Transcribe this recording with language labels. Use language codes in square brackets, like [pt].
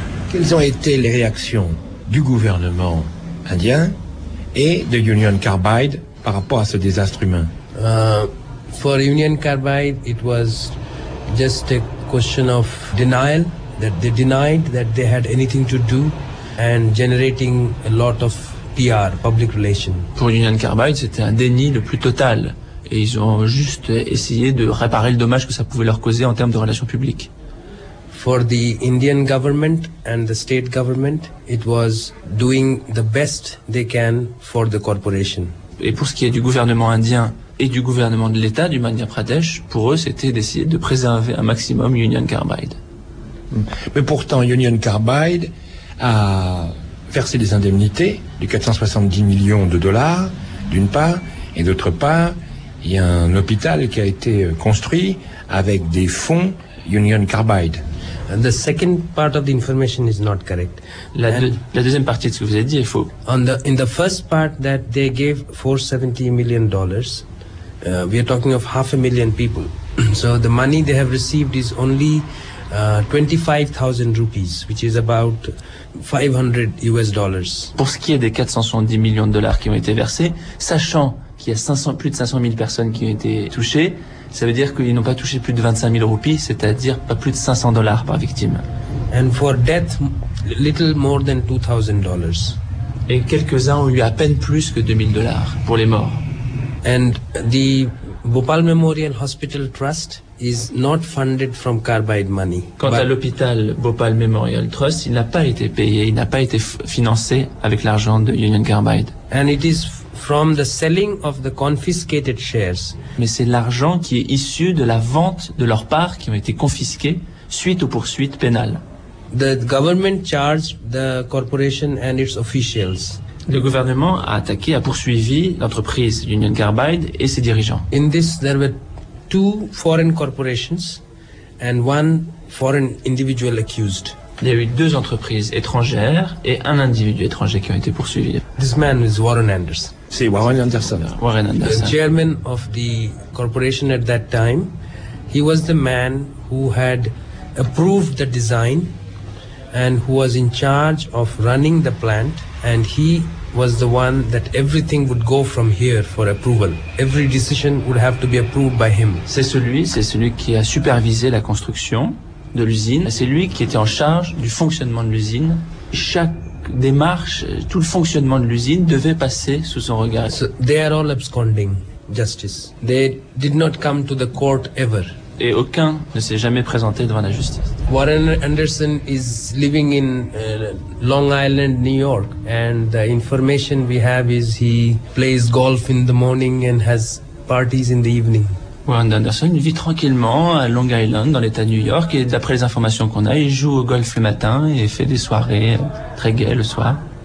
[fr] Quelles ont été les réactions du gouvernement indien et de Union Carbide par rapport à ce désastre humain? [en] For Union Carbide, it was just a question of denial, that they denied that they had anything to do and generating a lot of PR, public relations. [fr] Pour Union Carbide, c'était un déni le plus total et ils ont juste essayé de réparer le dommage que ça pouvait leur causer en termes de relations publiques. [en] For the Indian government and the state government, it was doing the best they can for the corporation. [fr] Et pour ce qui est du gouvernement indien et du gouvernement de l'État du Madhya Pradesh, pour eux, c'était d'essayer de préserver un maximum Union Carbide. Mais pourtant, Union Carbide a versé des indemnités de 470 millions de dollars, d'une part, et d'autre part, il y a un hôpital qui a été construit avec des fonds Union Carbide. [en] And the second part of the information is not correct. [fr] La deuxième partie de ce que vous avez dit est faux. [en] In the first part that they gave $470 million, we are talking of 500,000 people. So the money they have received is only 25,000 rupees, which is about $500. [fr] Pour ce qui est des 470 millions de dollars qui ont été versés, sachant qu'il y a plus de 500 000 personnes qui ont été touchées, ça veut dire qu'ils n'ont pas touché plus de 25 000 roupies, c'est-à-dire pas plus de $500 par victime. [en] And for death, little more than $2,000. [fr] Et quelques-uns ont eu à peine plus que 2000 dollars pour les morts. [en] And the Bhopal Memorial Hospital Trust is not funded from carbide money. [fr] Quant à l'hôpital Bhopal Memorial Trust, il n'a pas été payé, il n'a pas été financé avec l'argent de Union Carbide. [en] And it is from the selling of the confiscated shares. [fr] Mais c'est l'argent qui est issu de la vente de leurs parts qui ont été confisquées suite aux poursuites pénales. [en] The government charged the corporation and its officials. [fr] Le gouvernement a attaqué, a poursuivi l'entreprise Union Carbide et ses dirigeants. [en] In this, there were two foreign corporations and one foreign individual accused. [fr] Il y a eu deux entreprises étrangères et un individu étranger qui ont été poursuivis. [en] This man is Warren Anderson. [fr] C'est Warren Anderson. [en] Warren Anderson. The chairman of the corporation at that time, he was the man who had approved the design and who was in charge of running the plant. And he was the one that everything would go from here for approval. Every decision would have to be approved by him. [fr] C'est celui qui a supervisé la construction de l'usine. C'est lui qui était en charge du fonctionnement de l'usine. Chaque démarche, tout le fonctionnement de l'usine devait passer sous son regard. [en] So they are all absconding justice. They did not come to the court ever. [fr] Et aucun ne s'est jamais présenté devant la justice. [en] Warren Anderson is living in Long Island, New York, and the information we have is he plays golf in the morning and has parties in the evening. [fr] Warren Anderson vit tranquillement à Long Island dans l'état de New York et d'après les informations qu'on a, il joue au golf le matin et fait des soirées très gaies le soir.